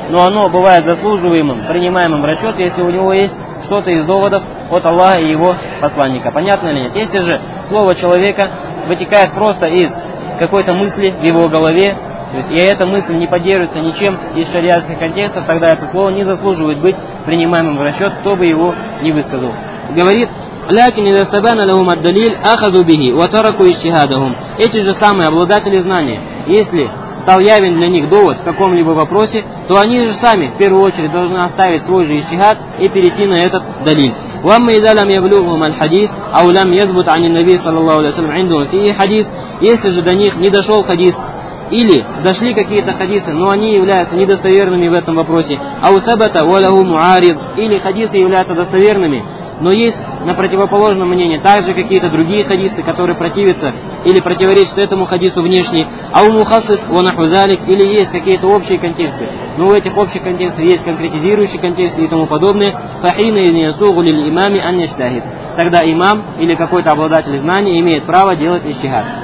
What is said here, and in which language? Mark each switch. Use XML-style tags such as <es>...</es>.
<ru>Но оно бывает заслуживаемым, принимаемым в расчет, если у него есть что-то из доводов от Аллаха и его посланника. Понятно ли нет? Если же слово человека вытекает просто из какой-то мысли в его голове, то есть, и эта мысль не поддерживается ничем из шариатских контекстов, тогда это слово не заслуживает быть принимаемым в расчет, кто бы его ни высказал.</ru> <ar>Говорит, لكن إذا استبان لهم الدليل أخذوا به وتركوا اجتهادهم.</ar> <ru>Эти же самые обладатели знания, если стал явен для них довод в каком-либо вопросе, то они же сами в первую очередь должны оставить свой же иштихад и перейти на этот далиль.</ru> <ar>وأما إذا لم يبلغهم الحديث أو لم يثبت عن النبي صلى الله عليه وسلم عندهم فيه حديث.</ar> <ru>Если же до них не дошел хадис, или дошли какие-то хадисы, но они являются недостоверными в этом вопросе,</ru> <ar>أو ثبت وله معارض,</ar> <ru>или хадисы являются достоверными, но есть на противоположном мнении также какие-то другие хадисы, которые противятся или противоречат этому хадису внешне,</ru> <ar>а у мухассис ва наху залик,</ar> <ru>или есть какие-то общие контексты, но у этих общих контекстов есть конкретизирующие контексты и тому подобное,</ru> <ar>фахина из ниясугу лиль имами ан иштахид,</ar> <ru>тогда имам или какой-то обладатель знания имеет право делать иштихад.</ru>